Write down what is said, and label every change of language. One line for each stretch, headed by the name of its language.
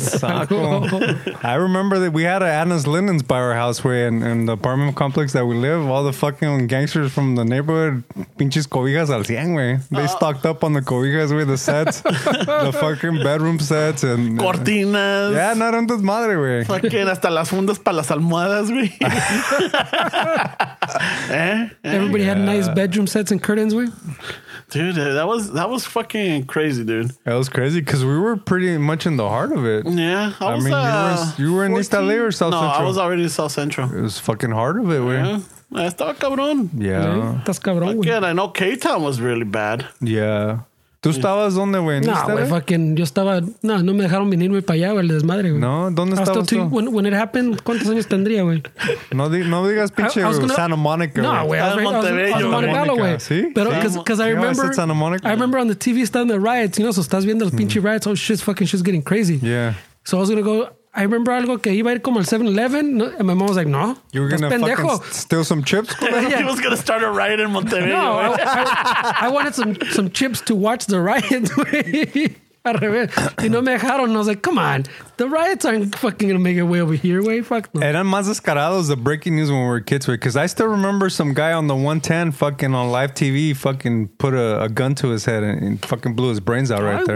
Spanish: Saco.
English: I remember that we had an Anna's Linens by our house way in the apartment complex that we live. All the fucking gangsters from the neighborhood, pinches cobijas al cien, güey. They stocked up on the cobijas, güey, the sets, the fucking bedroom sets, and
Spanish: cortinas. Yeah, no, eran tus madre, güey. Fucking hasta las fundas para las almohadas, güey.
English: Everybody had nice bedroom sets and curtains, güey. Dude, that was fucking crazy, dude. That was crazy because we were pretty much in the heart of it. Yeah, I mean, you were in 14? East LA or South Central? No, I was already in South Central. It was fucking heart of it, yeah.
Spanish: Yeah, estaba cabrón.
English: Yeah. That's cabrón. Again, I know K-Town was really bad.
Spanish: Yeah. ¿Tú estabas dónde, güey? No, güey, fucking, yo estaba... No, no me dejaron venirme para allá, güey, el desmadre, güey. No, ¿dónde estabas tú? When it happened, ¿cuántos años tendría, güey? No digas pinche, Santa Monica, no, güey. Estaba en Monterrey, güey. ¿Sí?
English: Pero, because I remember... Yeah, Santa Monica. I remember on the TV stand the riots, you know, so estás viendo los pinche riots, oh, shit, fucking shit's getting crazy. Yeah. So I was going to go...
Spanish: I remember algo que iba a ir como el 7-Eleven.
English: No, and my mom was like, no. You were gonna
Spanish: pendejo.
English: Fucking steal some chips? Yeah. He was gonna start a riot in Monterrey. No, I wanted some chips to watch the riot. Y no me dejaron. I was like, come on. The riots aren't fucking gonna make it way over here. Way fuck no. Eran más descarados the breaking news when we were kids. Because I still remember some guy on the 110 fucking on live TV fucking put a gun to his head and fucking blew his brains out right there.